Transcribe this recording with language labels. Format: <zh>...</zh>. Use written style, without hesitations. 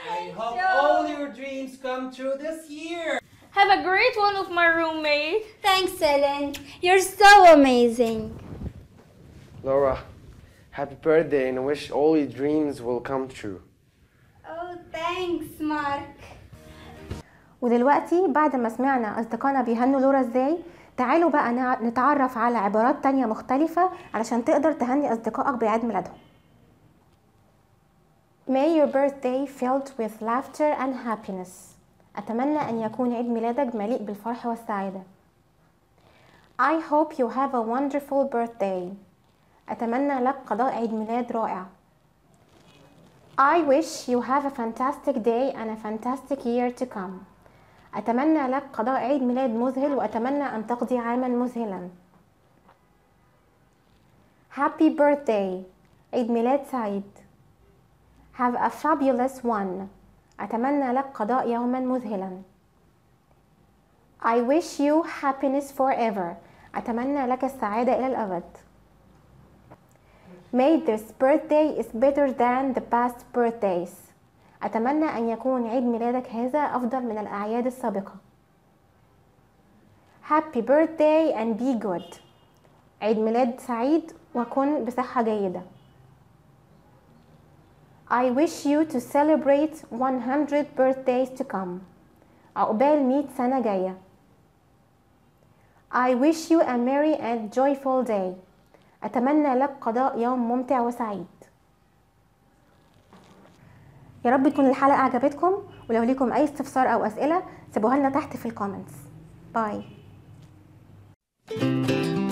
<en>I hope all your dreams come true this year. Have a great one with my roommate. Thanks, Ellen. You're so amazing. Laura, happy birthday and wish all your dreams will come true. Oh, thanks, Mark.</en> <ar>ودلوقتي بعد ما سمعنا أصدقائنا بيهنوا لورا إزاي، تعالوا بقى نتعرف على عبارات تانية مختلفة علشان تقدر تهني أصدقائك بعيد ميلادهم.</ar> <en>May your birthday filled with laughter and happiness.</en> <ar>أتمنى أن يكون عيد ميلادك مليء بالفرح والسعادة.</ar> <en>I hope you have a wonderful birthday.</en> <ar>أتمنى لك قضاء عيد ميلاد رائع.</ar> <en>I wish you have a fantastic day and a fantastic year to come.</en> <ar>أتمنى لك قضاء عيد ميلاد مذهل وأتمنى أن تقضي عاما مذهلا.</ar> <en>Happy birthday.</en> <ar>عيد ميلاد سعيد.</ar> <en>Have a fabulous one.</en> <ar>أتمنى لك قضاء يوما مذهلا.</ar> <en>I wish you happiness forever.</en> <ar>أتمنى لك السعادة إلى الأبد.</ar> <en>May this birthday is better than the past birthdays.</en> <ar>أتمنى أن يكون عيد ميلادك هذا أفضل من الأعياد السابقة.</ar> <en>Happy birthday and be good.</en> <ar>عيد ميلاد سعيد وكن بصحة جيدة.</ar> <en>I wish you to celebrate 100 birthdays to come.</en> <ar>عقبال 100 سنة جاية.</ar> <en>I wish you a merry and joyful day.</en> <ar>أتمنى لك قضاء يوم ممتع وسعيد. يا رب تكون الحلقة عجبتكم، ولو ليكم أي استفسار أو أسئلة سيبوها لنا تحت في الكومنتس. باي.</ar>